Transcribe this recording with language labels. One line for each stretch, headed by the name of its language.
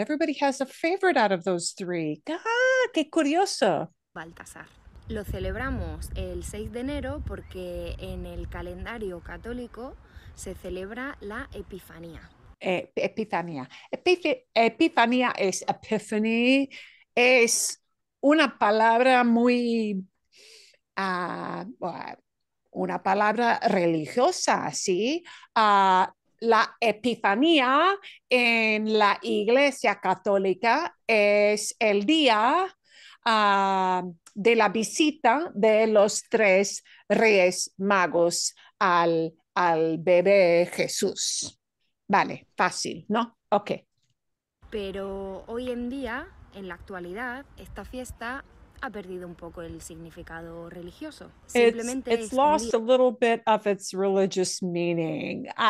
English: Everybody has a favorite out of those three.
Spanish: ¡Ah, qué curioso! Baltasar. Lo celebramos el 6 de enero porque en el calendario católico se celebra la Epifanía. Epifanía. Epifanía es epiphany. Es... una palabra muy, una palabra religiosa, ¿sí? La Epifanía en la Iglesia Católica es el día de la visita de los tres reyes magos al bebé Jesús. Vale, fácil, ¿no? Ok. Pero hoy en día... En la actualidad, esta fiesta ha perdido un poco el significado religioso.
English: It's lost a little bit of its religious meaning.